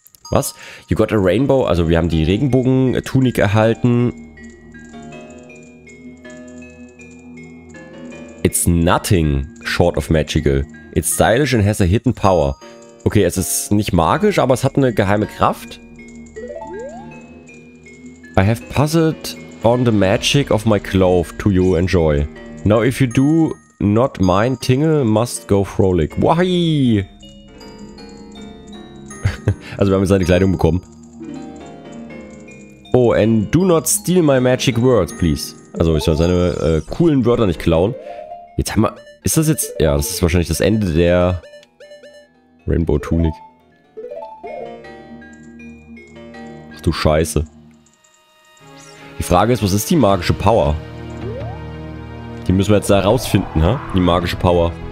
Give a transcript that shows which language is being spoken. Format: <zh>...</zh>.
<de>Was?</de> <en>You got a rainbow?</en> <de>Also wir haben die Regenbogen-Tunik erhalten.</de> <en>It's nothing short of magical. It's stylish and has a hidden power.</en> <de>Okay, es ist nicht magisch, aber es hat eine geheime Kraft.</de> <en>I have puzzled on the magic of my cloth to you enjoy. Now if you do not mind, tingle must go frolic. Why?</en> <de>Also wir haben seine Kleidung bekommen.</de> <en>Oh, and do not steal my magic words, please.</en> <de>Also ich soll seine coolen Wörter nicht klauen. Jetzt haben wir... Ist das jetzt... Ja, das ist wahrscheinlich das Ende der... Rainbow Tunic. Ach du Scheiße. Die Frage ist, was ist die magische Power? Die müssen wir jetzt da rausfinden, ha? Die magische Power.</de>